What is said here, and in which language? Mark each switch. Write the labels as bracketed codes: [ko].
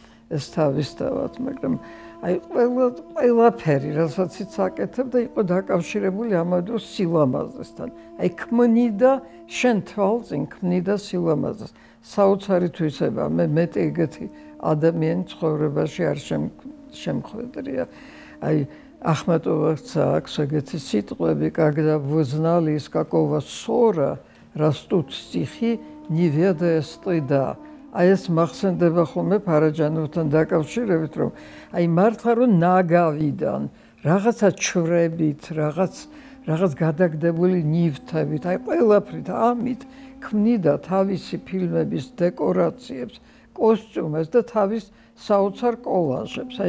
[ka] ეს თავისთავად, მაგრამ აი, ყველაფერი, რასაც ის აკეთებს, და იყო დაკავშირებული ამადო სილამაზესთან. აი, ქმნიდა შენ თვალს, ქმნიდა სილამაზეს. საოცარი თვისება, მე მეტი ეგეთი ადამიანი ცხოვრებაში არ შემხვედრია. აი, ახმეტოვაც აქვს ეგეთი სიტყვები, [ru] когда узнали из какого ссора растут стихи, не ведая стыда. [ka] აი, ეს მახსენდება ხოლმე ფარაჯანოვთან დაკავშირებით, რომ აი, მართლა რომ ნაგავიდან, რაღაცა ჩვრებით, რაღაც გადაგდებული ნივთებით, აი, ყველაფრით, ამით ქმნიდა თავისი ფილმების დეკორაციებს, კოსტიუმებს და თავის საოცარ კოლაჟებს.